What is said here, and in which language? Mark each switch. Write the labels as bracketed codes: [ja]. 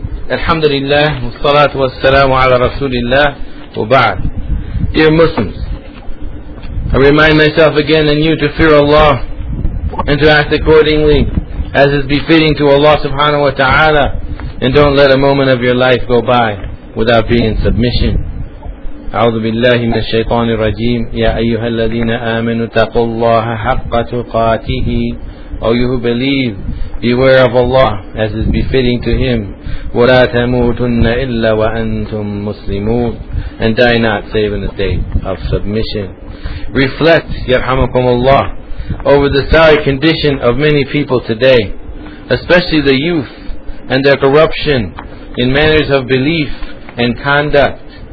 [ar] الحمد لله والصلاة والسلام على رسول الله وبعد. [en] Dear Muslims, I remind myself again and you to fear Allah and to act accordingly as is befitting to Allah subhanahu wa ta'ala, and don't let a moment of your life go by without being in submission. [ar] أعوذ بالله من الشيطان الرجيم يا أيها الذين آمنوا اتقوا الله حق تقاته أو [en] you who believe, beware of Allah as is befitting to Him. [ar] ولا تموتن إلا وأنتم مسلمون, [en] and die not save in the state of submission. Reflect, [ar] يرحمكم الله, [en] over the sorry condition of many people today, especially the youth and their corruption in matters of belief and conduct.